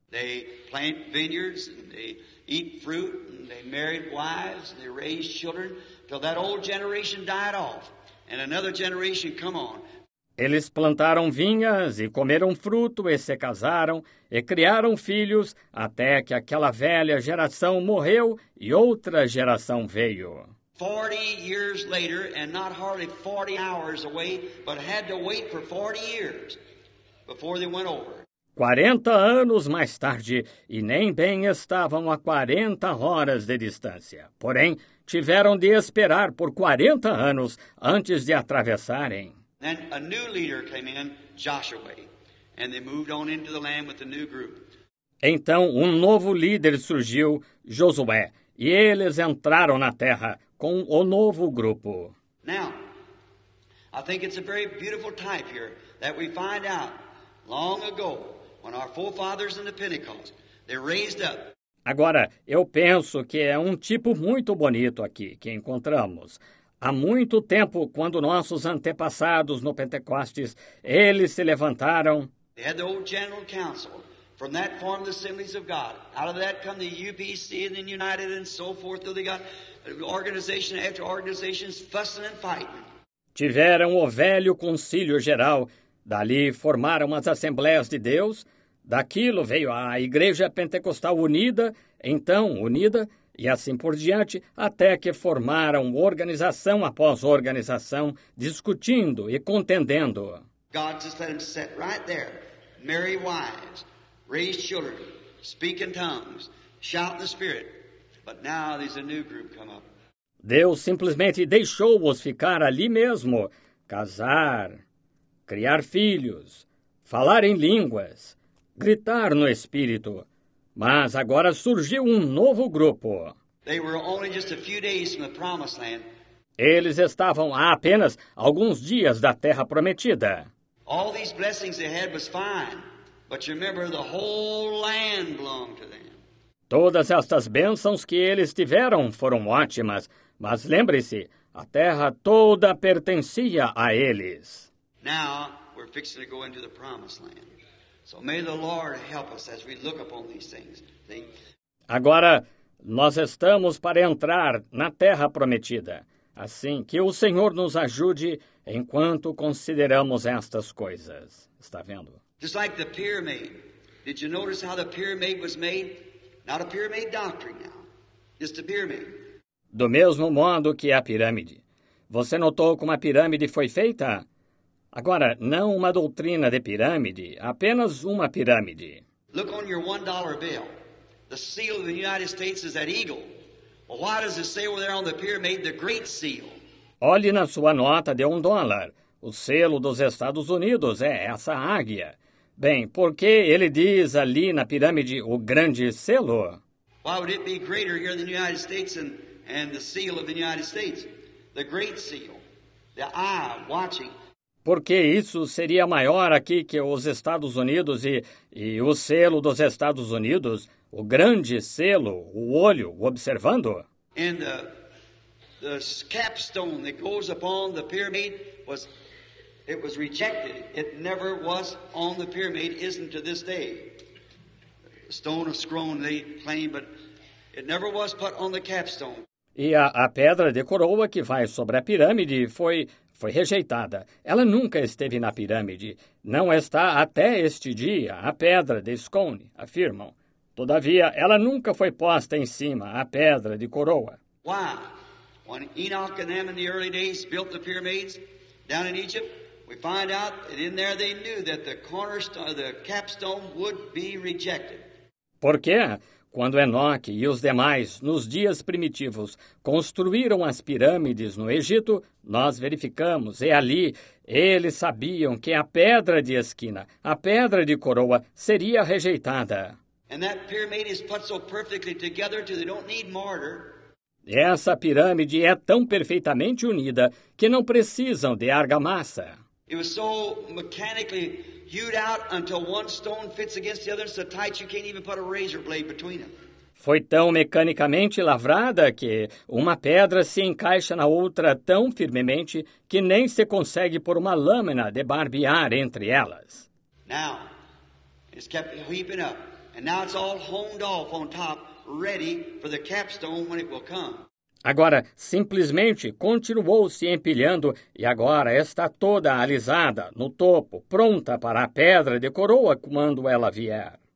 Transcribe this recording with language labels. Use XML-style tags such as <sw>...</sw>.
<en>They plant vineyards, and they eat fruit, and they married wives, and they raised children, till that old generation died off, and another generation come on.</en> <pt>Eles plantaram vinhas e comeram fruto e se casaram e criaram filhos até que aquela velha geração morreu e outra geração veio.</pt> <en>40 years later and not hardly 40 hours away, but had to wait for 40 years before they went over.</en> <pt>40 anos mais tarde e nem bem estavam a 40 horas de distância. Porém, tiveram de esperar por 40 anos antes de atravessarem.</pt> <en>Then a new leader came in, Joshua, and they moved on into the land with a new group.</en> <pt>Então, novo líder surgiu, Josué, e eles entraram na terra com novo grupo.</pt> <en>Now, I think it's a very beautiful type here that we find out long ago when our forefathers in the Pentecost, they raised up.</en> <pt>Agora, eu penso que é tipo muito bonito aqui que encontramos. Há muito tempo, quando nossos antepassados no Pentecostes, eles se levantaram.</pt> <en>They had the old general council. From that formed the assemblies of God. Out of that come the UPC and the United and so forth. Till they got organization after organization fussing and fighting.</en> <pt>Tiveram o velho concílio geral. Dali formaram as assembleias de Deus. Daquilo veio a Igreja Pentecostal unida, então unida. E assim por diante, até que formaram organização após organização, discutindo e contendendo.</pt> <en>God just let them sit right there, marry wives, raise children, speak in tongues, shout in the spirit. But now there's a new group come up.</en> <pt>Deus simplesmente deixou-os ficar ali mesmo, casar, criar filhos, falar em línguas, gritar no espírito. Mas agora surgiu novo grupo.</pt> <en>They were only just a few days from the promised land.</en> <pt>Eles estavam há apenas alguns dias da terra prometida.</pt> <en>All these blessings they had was fine, but you remember the whole land belonged to them.</en> <pt>Todas estas bênçãos que eles tiveram foram ótimas, mas lembre-se, a terra toda pertencia a eles.</pt> <en>Now we're fixing to go into the promised land. So may the Lord help us as we look upon these things.</en> <pt>Agora, nós estamos para entrar na terra prometida. Assim, que o Senhor nos ajude enquanto consideramos estas coisas. Está vendo?</pt> <en>Just like the pyramid. Did you notice how the pyramid was made? Not a pyramid doctrine now. Just a pyramid.</en> <pt>Do mesmo modo que a pirâmide. Você notou como a pirâmide foi feita? Agora, não uma doutrina de pirâmide, apenas uma pirâmide.</pt> <en>Look on your $1 bill. The seal of the United States is that eagle. Well, why does it say over there on the pyramid the great seal?</en> <pt>Olhe na sua nota de $1. O selo dos Estados Unidos é essa águia. Bem, por que ele diz ali na pirâmide o grande selo?</pt> <en>Why would it be greater here in the United States and the seal of the United States? The great seal. The eye watching.</en> <pt>Porque isso seria maior aqui que os Estados Unidos e o selo dos Estados Unidos, o grande selo, o olho, o observando.</pt> <en>And the capstone that goes upon the pyramid was, it was rejected. It never was on the pyramid, isn't to this day. Stone of scroll, they claim, but it never was put on the capstone.</en> <pt>E a pedra de coroa que vai sobre a pirâmide foi rejeitada. Ela nunca esteve na pirâmide. Não está até este dia, a pedra de Scone, afirmam. Todavia, ela nunca foi posta em cima, a pedra de coroa.</pt> <en>Why? When Enoch and them in the early days built the pyramids down in Egypt, we find out that in there they knew that the cornerstone, the capstone would be rejected.</en> <pt>Por quê? Quando Enoque e os demais, nos dias primitivos, construíram as pirâmides no Egito, nós verificamos, e ali eles sabiam que a pedra de esquina, a pedra de coroa, seria rejeitada.</pt> <en>And that pyramid is put so perfectly together till they don't need mortar.</en> <pt>Essa pirâmide é tão perfeitamente unida que não precisam de argamassa.</pt> <en>It was so mechanically hewed out until one stone fits against the other so tight you can't even put a razor blade between them.</en> <pt>Foi tão mecanicamente lavrada que uma pedra se encaixa na outra tão firmemente que nem se consegue pôr uma lâmina de barbear entre elas.</pt> <en>Now, it's kept heaping up, and now it's all honed off on top, ready for the capstone when it will come.</en> <pt>Agora, simplesmente, continuou se empilhando e agora está toda alisada no topo, pronta para a pedra de coroa quando ela vier.</pt>